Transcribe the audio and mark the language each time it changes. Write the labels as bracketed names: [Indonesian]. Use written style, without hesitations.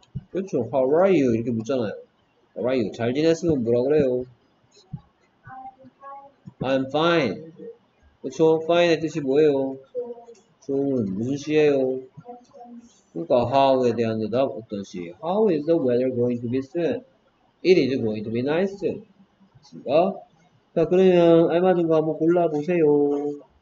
[Korean] 그렇죠. [English] How are you? [Korean] 이렇게 묻잖아요. [English] How are you? [Korean] 잘 지냈으면 뭐라 그래요? [English] I'm fine. [Korean] 그렇죠. fine의 뜻이 뭐예요? 좋은, 무슨 시예요? 그러니까 how에 대한 대답 어떤 시? [English] How is the weather going to be soon? It is going to be nice. [Korean] 그러니까 자, 그러면 알맞은 거 한번 골라보세요.